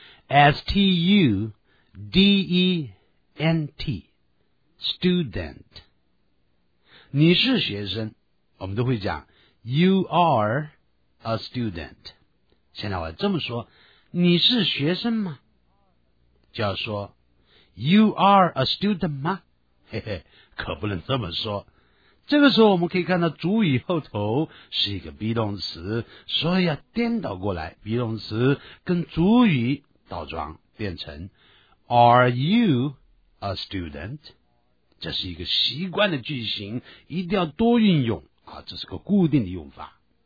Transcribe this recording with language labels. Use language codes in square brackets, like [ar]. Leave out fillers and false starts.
[zh] S-T-U-D-E-N-T Student 你是学生，我们都会讲 [en] You are a student。 [zh] 现在我这么说，你是学生吗？就要说 [en] You are a student [zh] 吗？嘿嘿，可不能这么说。这个时候我们可以看到主语后头是一个 be 动词，所以要颠倒过来， be 动词跟主语倒装变成 [en] Are you a student? [zh] 这是一个习惯的句型，一定要多运用啊，这是个固定的用法。